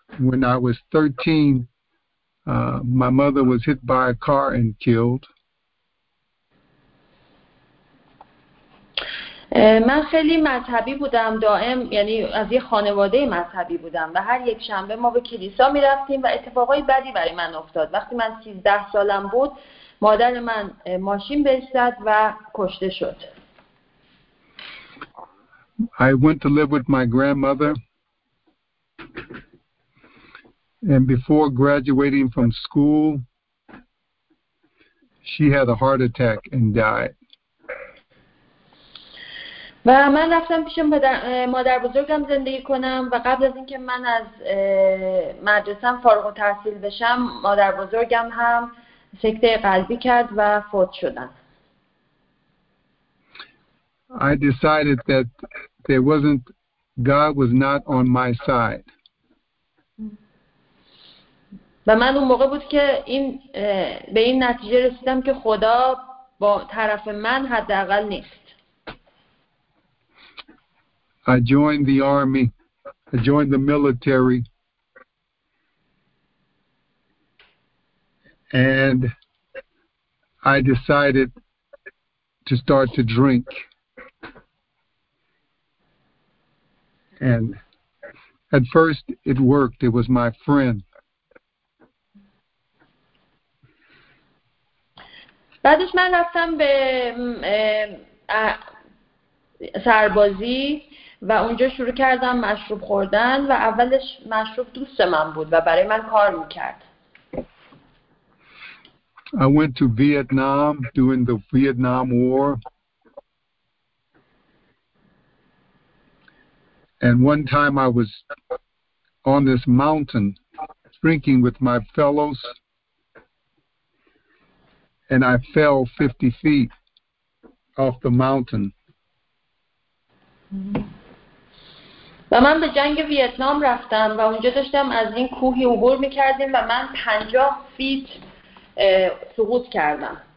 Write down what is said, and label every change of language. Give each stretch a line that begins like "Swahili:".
English: When I was 13, my mother was hit by a car and killed.
Persian: من خیلی مذهبی بودم دائم، یعنی از یه خانواده مذهبی بودم و هر یک شنبه ما به کلیسا می رفتیم و اتفاقای بدی برای من افتاد. وقتی من 13 سالم بود مادر من ماشین بهش زد و کشته شد.
English: I went to live with my grandmother and before graduating from school she had a heart attack and died.
Persian: و من رفتم پیش مادر بزرگم زندگی کنم و قبل از اینکه من از مدرسه‌ام فارغ التحصیل بشم مادر بزرگم هم سکته قلبی کرد و فوت شدن.
English: I decided that there wasn't God was not on my side.
Persian: و من اون موقع بود که این به این نتیجه رسیدم که خدا با طرف من حداقل نیست.
English: I joined the army. I joined the military. And I decided to start to drink. And at first it worked. It was my friend.
Persian: بعدش من رفتم به سربازی و اونجا شروع کردم مشروب خوردن و اولش مشروب دوست من بود و برای من کار میکرد.
English: I went to Vietnam during the Vietnam War. And one time I was on this mountain drinking with my fellows and I fell 50 feet off the mountain.
Persian: و من به جنگ ویتنام رفتم و اونجا داشتم از این کوهی عبور میکردیم و من 50 فیت سقوط کردم.